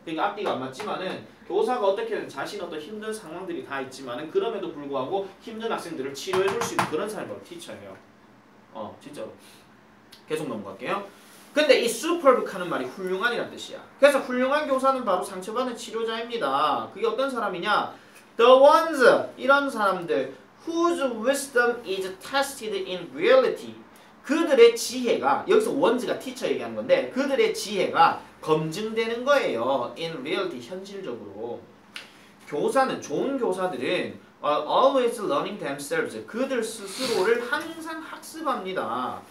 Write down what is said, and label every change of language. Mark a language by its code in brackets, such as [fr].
[ko] 그러니까 앞뒤가 안 맞지만은 교사가 어떻게든 자신 어떤 힘든 상황들이 다 있지만은 그럼에도 불구하고 힘든 학생들을 치료해 줄 수 있는 그런 사람이 바로 티처예요. 진짜로. 계속 넘어갈게요. 근데 이 superb 하는 말이 훌륭한이란 뜻이야. 그래서 훌륭한 교사는 바로 상처받는 치료자입니다. 그게 어떤 사람이냐? [en] The ones, [ko] 이런 사람들 [en] whose wisdom is tested in reality. [ko] 그들의 지혜가, 여기서 원즈가 티처 얘기하는 건데 그들의 지혜가 검증되는 거예요. [en] In reality, [ko] 현실적으로. 교사는, 좋은 교사들은 [en] are always learning themselves. [ko] 그들 스스로를 항상 학습합니다.